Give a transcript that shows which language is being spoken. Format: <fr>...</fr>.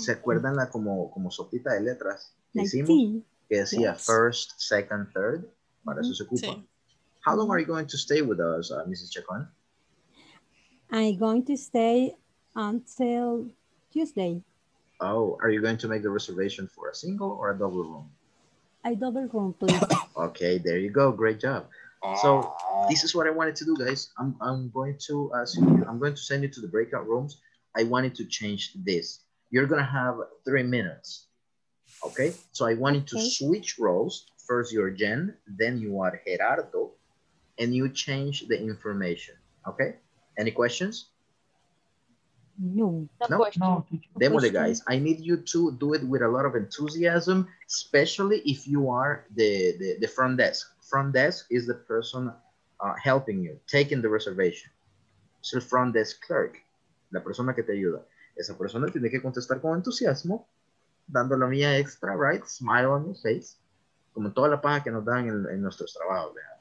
<es>¿Se acuerdan la como sopita de letras que hicimos? Que decía yes.</es> <en>First, second, third.</en> <es>Para eso se ocupa. Sí.</es> <en>How long are you going to stay with us, Mrs. Chacon? I'm going to stay until Tuesday. Oh, are you going to make the reservation for a single or a double room? A double room, please. Okay, there you go. Great job. So this is what I wanted to do, guys. I'm going to ask you, I'm going to send you to the breakout rooms. I wanted to change this. You're gonna have 3 minutes, okay? So I wanted to switch roles. First you're Jen, then you are Gerardo, and you change the information, okay? Any questions? No. No? No.</en> <es>Demole, guys.</es> <en>I need you to do it with a lot of enthusiasm, especially if you are the front desk. Front desk is the person helping you, taking the reservation. So front desk clerk.</en> <es>La persona que te ayuda. Esa persona tiene que contestar con entusiasmo, dando la mía extra, right?</es> <en>Smile on your face.</en> <es>Como toda la paja que nos dan en nuestros trabajos, ¿verdad?</es>